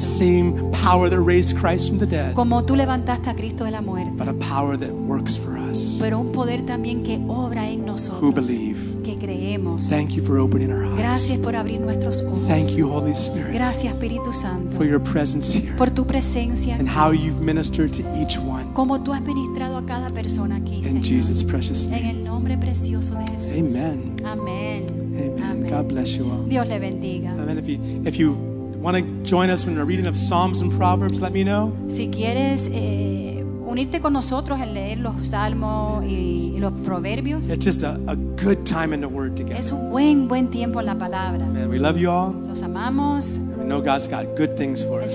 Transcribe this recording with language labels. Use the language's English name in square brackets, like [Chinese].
[English] Same power that raised Christ from the dead. [Spanish] Como tú levantaste a Cristo de la muerte. [English] But a power that works for us. [Spanish] Pero un poder también que obra en nosotros. [English] Who believe. [Spanish] Que creemos. [English] Thank you for opening our eyes. [Spanish] Gracias por abrir nuestros ojos. [English] Thank you, Holy Spirit. [Spanish] Gracias, Espíritu Santo. [English] For your presence here. [Spanish] Por tu presencia. [English] And how you've ministered to each one. [Spanish] Como tú has ministrado a cada persona aquí, Señor. [English] In Jesus' precious name. [Spanish] En el nombre precioso de Jesús. [English] Amen. [Spanish] Amen. [English] Amen. God bless you all. [Spanish] Dios le bendiga. [English] Amen. If you want to join us in a reading of Psalms and Proverbs, let me know. [Spanish] Si quieres unirte con nosotros en leer los salmos y los proverbios. [English] It's just a good time in the Word together. [Spanish] Es un buen tiempo en la palabra. [English] Amen. We love you all. [Spanish] Los amamos. [English] And we know God's got good things for us.